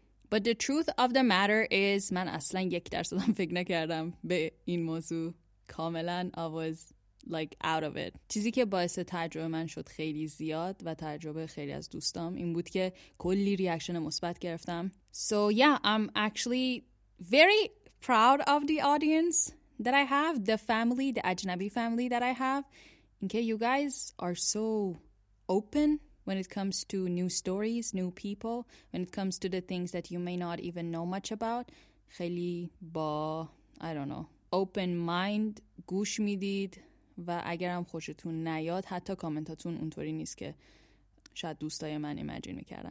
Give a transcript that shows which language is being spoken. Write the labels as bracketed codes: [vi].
[en] But the truth of the matter is [fa] من اصلا 1% هم فکر نکردم به این موضوع. کاملا [en] I was like out of it. [fa] چیزی که باعث تعجب من شد خیلی زیاد و تعجب خیلی از دوستام این بود که کلی ریاکشن مثبت گرفتم. [en] So yeah, I'm actually very proud of the audience that I have, the family, the Ajnabi family that I have. Okay, you guys are so open when it comes to new stories, new people, when it comes to the things that you may not even know much about. [fa] خیلی با [en] I don't know, [fa] open mind گوش میدید. و اگرم خوشتون نیاد حتی کامنتاتون اونطوری نیست که شاید دوستای من ایمجین میکردن.